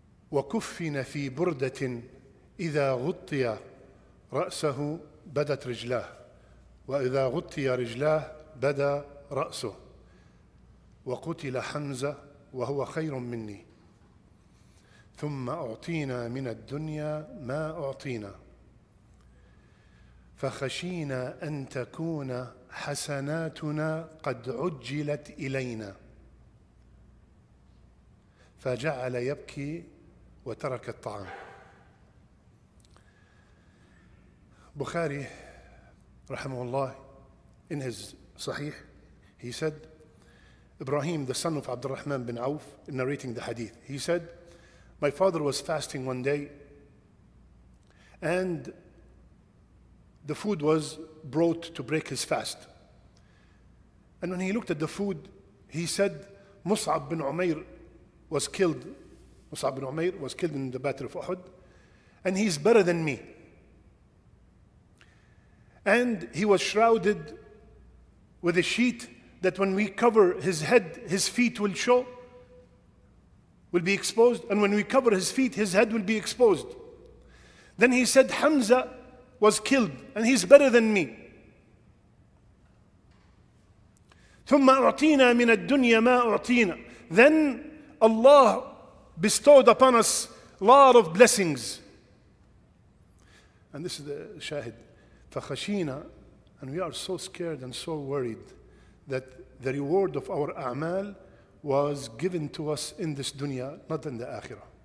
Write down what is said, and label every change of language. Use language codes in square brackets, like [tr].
[ar] وكفن في بردة إذا غطي رأسه بدت رجلاه وإذا غطي رجلاه بدا رأسه وقتل حمزة وهو خير مني ثم أعطينا من الدنيا ما أعطينا فخشينا أن تكون حسناتنا قد عجلت إلينا فجعل يبكي وترك الطعام. [en] بخاري رحمه الله, in his Sahih, he said, Ibrahim, the son of Abd al-Rahman bin Auf, in narrating the hadith, he said, my father was fasting one day and the food was brought to break his fast. And when he looked at the food, he said, Mus'ab bin Umair was killed. Mus'ab bin Umair was killed in the Battle of Uhud. And he's better than me. And he was shrouded with a sheet that when we cover his head, his feet will show, will be exposed. And when we cover his feet, his head will be exposed. Then he said, Hamza was killed and he's better than me. [ar] ثم أعطينا من الدنيا ما أعطينا. [en] Then Allah bestowed upon us a lot of blessings. And this is the shahid. فخشينا, and we are so scared and so worried that the reward of our a'mal was given to us in this dunya, not in the akhirah.